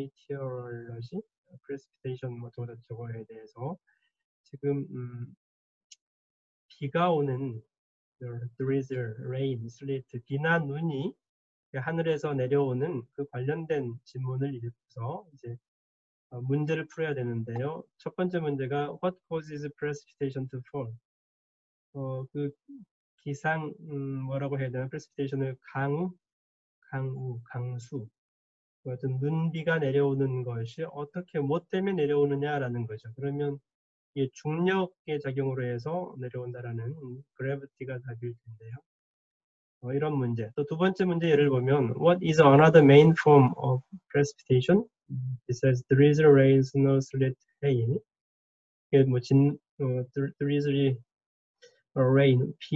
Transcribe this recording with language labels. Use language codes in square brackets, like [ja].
[ko] 인피티어러지, 프레스피테이션 뭐 저거에 대해서 지금 비가 오는, drizzle, rain, sleet, 비나 눈이 하늘에서 내려오는 그 관련된 지문을 읽어서 이제 문제를 풀어야 되는데요. 첫 번째 문제가 [en] What causes precipitation to fall? [ko] 그 기상, 뭐라고 해야 되나? precipitation을 강우, 강수. 어떤 눈비가 내려오는 것이 어떻게, 뭐 때문에 내려오느냐라는 거죠. 그러면 이게 중력의 작용으로 해서 내려온다라는 그래비티가 답일 텐데요. 이런 문제. 또두 번째 문제 예를 보면 [en] What is another main form of precipitation? Besides drizzle, rain, snow, sleet, hail. [ko] 이게 뭐 drizzle, rain.